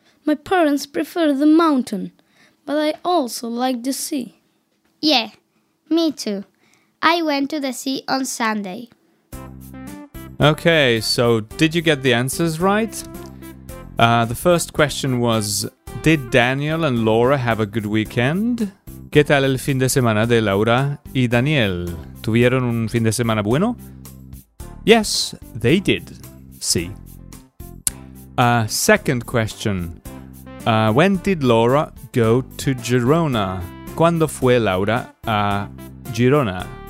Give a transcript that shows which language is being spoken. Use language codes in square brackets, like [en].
[en] My parents prefer the mountain, but I also like the sea. Yeah, me too. I went to the sea on Sunday. Okay, so did you get the answers right? The first question was, did Daniel and Laura have a good weekend? [es] ¿Qué tal el fin de semana de Laura y Daniel? ¿Tuvieron un fin de semana bueno? [en] Yes, they did. Sí. Second question. When did Laura go to Girona? [es] ¿Cuándo fue Laura a Girona?